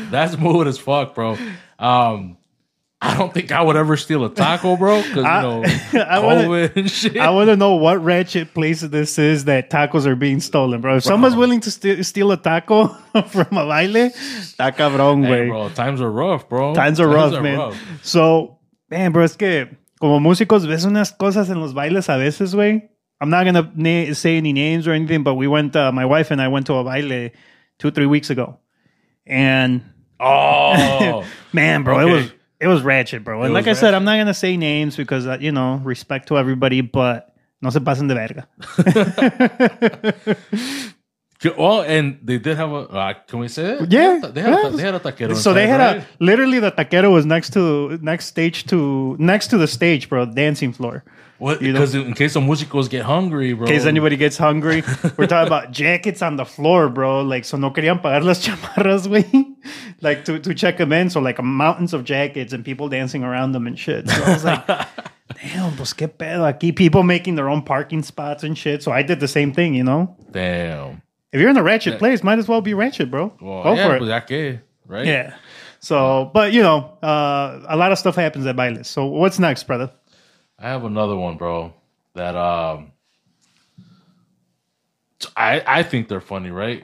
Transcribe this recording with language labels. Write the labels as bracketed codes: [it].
[en] That's mood as fuck, bro. I don't think I would ever steal a taco, bro, because, you know, COVID and shit. I want to know what ratchet place this is that tacos are being stolen, bro. If someone's willing to steal a taco from a baile, [es] está cabrón, güey. [en] Hey, bro, times are rough, bro. Times are rough, man. [es] So, man, bro, es que como músicos ves unas cosas en los bailes a veces, güey. [en] I'm not going to say any names or anything, but my wife and I went to a baile 2-3 weeks ago. And, man, bro, okay. It was ratchet, bro. And like I said, I'm not going to say names because, you know, respect to everybody, but [es] no se pasen de verga. [en] Well, and they did have a, can we say it? Yeah. They had a taquero. So they had literally the taquero was next to the stage, bro, dancing floor. What? Because in case some músicos get hungry, bro. In case anybody gets hungry. We're talking about jackets on the floor, bro. [es] Like, so no querían pagar las chamarras, güey. [en] Like, to check them in. So, like, mountains of jackets and people dancing around them and shit. So I was like, damn, [es] pues qué pedo aquí. [en] People making their own parking spots and shit. So I did the same thing, you know? Damn. If you're in a ratchet place, might as well be ratchet, bro. Well, Go for it. [es] Pues ya que, right? [en] Yeah. So, but, you know, a lot of stuff happens at bailes. So what's next, brother? I have another one, bro, that I think they're funny, right?